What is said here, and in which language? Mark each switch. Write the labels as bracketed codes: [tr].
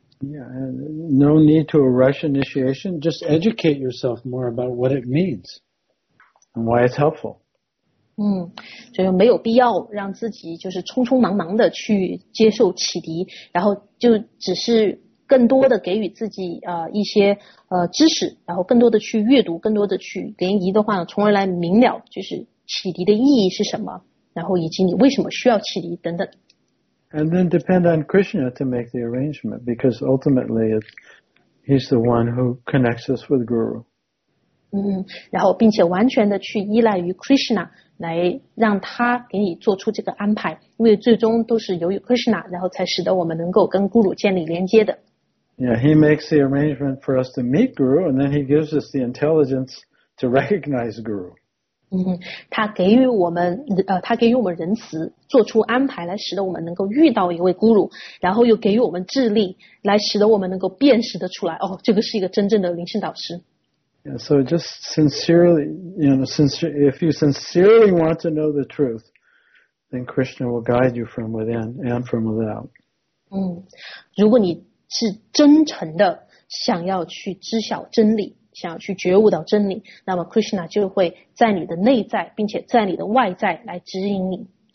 [en] Yeah, and no need to rush initiation. Just educate yourself more about what it means and why it's helpful. [zh] 所以说没有必要让自己就是匆匆忙忙的去接受启迪，然后就只是更多的给予自己一些知识，然后更多的去阅读，更多的去研习的话，从而来明了就是启迪的意义是什么。然后以及你为什么需要启迪等等。 [en] And then depend on Krishna to make the arrangement, because ultimately he's the one who connects us with Guru. [zh] 然后并且完全的去依赖于 Krishna 来让他给你做出这个安排，因为最终都是由于 Krishna 然后才使得我们能够跟 Guru 建立连接的。 [en] Yeah, he makes the arrangement for us to meet Guru, and then he gives us the intelligence to recognize Guru. [zh] 他给予我们仁慈，做出安排来使得我们能够遇到一位孤乳，然后又给予我们智力来使得我们能够辨识得出来，哦，这个是一个真正的灵性导师。 [en] Yeah, so just sincerely, you know, if you sincerely want to know the truth, then Krishna will guide you from within and from without. [zh] 如果你是真诚的想要去知晓真理，想要去觉悟到真理，那么 Krishna 就会在你的内在并且在你的外在来指引你。